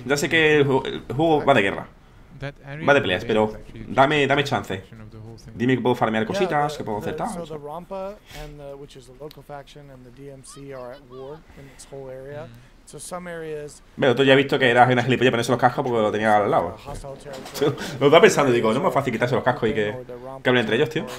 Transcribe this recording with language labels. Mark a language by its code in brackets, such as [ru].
[es] Ya sé que el juego va de guerra, va de peleas, pero dame chance. Dime que puedo farmear cositas, que puedo hacer tal. [en] So the Rampa, which is a local faction, and the DMC are at war in this whole area. So some areas. [es] Bueno, tú ya has visto que eras una gilipollas ponerse los cascos porque lo tenía al lado. Lo estaba pensando, digo, no es más fácil quitarse los cascos y que hablen entre ellos, tío.